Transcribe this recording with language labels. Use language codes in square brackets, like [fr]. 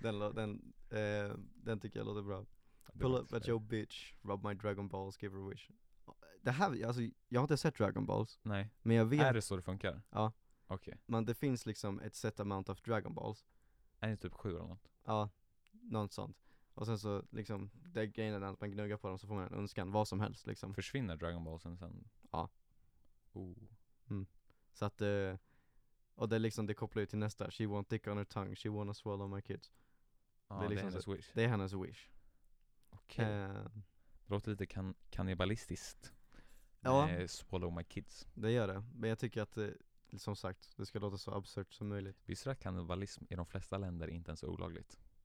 [sv] den tycker jag låter bra. [en] Pull up at your bitch, rub my Dragon Balls, give her a wish. [sv] Det här, alltså, jag har inte sett Dragon Balls. Nej. Men jag vet. Är det så det funkar? Ja. Okej. Okay. Men det finns liksom ett [en] set amount of [sv] Dragon Balls. Är det typ 7 eller något? Ja, något sånt. Och sen så liksom, det grejen är att man gnuggar på dem så får man en önskan, vad som helst liksom. Försvinner Dragon Ballsen sen? Ja. Oh. Mm. Så att, och det liksom, det kopplar ju till nästa. [en] She won't dick on her tongue, she wanna swallow my kids. [sv] Ja, det är liksom hennes wish. Det är hennes wish. Okej. Okay. Låter lite kannibalistiskt. Ja. [en] Swallow my kids. [sv] Det gör det. Men jag tycker att som sagt, det ska låta så absurt som möjligt. Visst är kannibalism i de flesta länder inte ens olagligt?